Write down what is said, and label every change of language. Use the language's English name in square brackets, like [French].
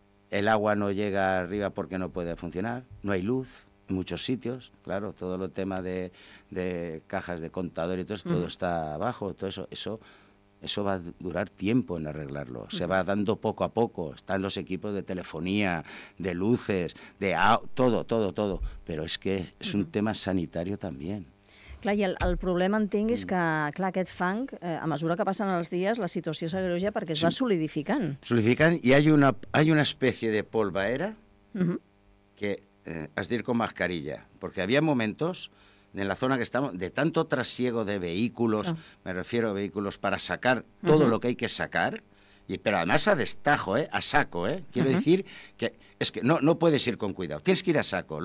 [Spanish] El agua no llega arriba porque no puede funcionar, no hay luz en muchos sitios, claro, todo el tema de cajas de contador y todo eso, todo está abajo, todo eso, eso va a durar tiempo en arreglarlo, se va dando poco a poco, están los equipos de telefonía, de luces, de todo, pero es que es un tema sanitario también. [Catalan] Clar, i el problema, entenc, és que clar, aquest fang, a mesura que passen els dies, la situació s'agreuja perquè es va solidificant. [Spanish] Solidificant, i hay una especie de polvaera que has de ir con mascarilla, porque había momentos en la zona que estamos, de tanto trasiego de vehículos, me refiero a vehículos para sacar todo lo que hay que sacar, pero además a destajo, a saco, quiero decir que es que no puedes ir con cuidado, tienes que ir a saco.